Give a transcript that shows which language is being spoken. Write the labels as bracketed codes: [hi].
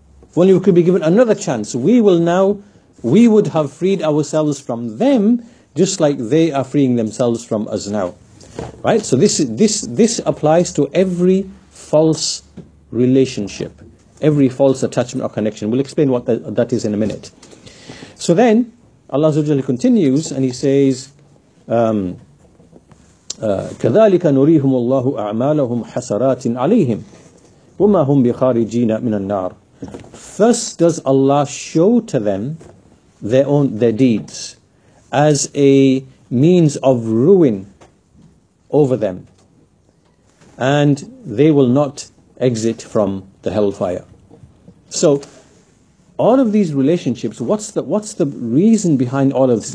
[en] If only we could be given another chance, we would have freed ourselves from them, just like they are freeing themselves from us now. Right, so this applies to every false relationship, every false attachment or connection. We'll explain what that is in a minute. So then, Allah Azza wa Jalla continues and He says, [ar] "كَذَلِكَ نُرِيهُمُ اللَّهُ أَعْمَالَهُمْ حَسَرَاتٍ عَلَيْهِمْ وَمَا هُمْ بِخَارِجِينَ مِنَ النَّارِ." [en] Thus does Allah show to them their deeds as a means of ruin over them, and they will not exit from the hellfire. So all of these relationships, what's the reason behind all of this?